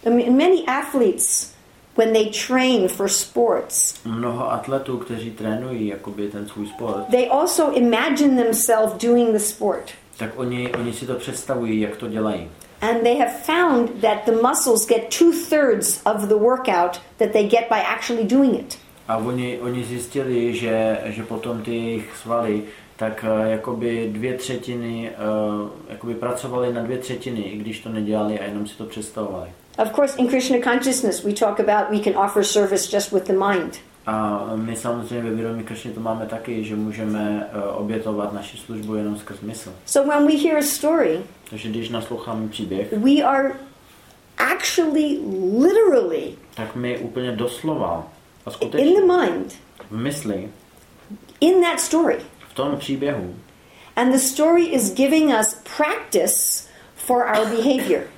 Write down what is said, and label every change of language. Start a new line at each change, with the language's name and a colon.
English: Many athletes, when they train for sports,
Czech: mnoho atletů, kteří trénují jakoby ten svůj sport,
English: they also imagine themselves doing the sport.
Czech: Tak oni si to představují, jak to dělají.
English: And they have found that the muscles get 2/3 of the workout that they get by actually doing it.
Czech: A oni zjistili, že potom ty jejich svaly tak jakoby 2/3 jakoby pracovali na 2/3, i když to nedělali a jenom si to představovali.
English: Of course, in Krishna consciousness, we talk about we can offer service just with the mind.
Czech: A my samozřejmě ve vědomí Krishna to máme taky, že můžeme obětovat naši službu jenom skrz mysl.
English: So when we hear a story,
Czech: takže když nasloucháme příběh,
English: we are actually literally,
Czech: tak my úplně doslova a skutečně
English: in the mind,
Czech: v mysli,
English: in that story,
Czech: v tom příběhu,
English: and the story is giving us practice for our behavior.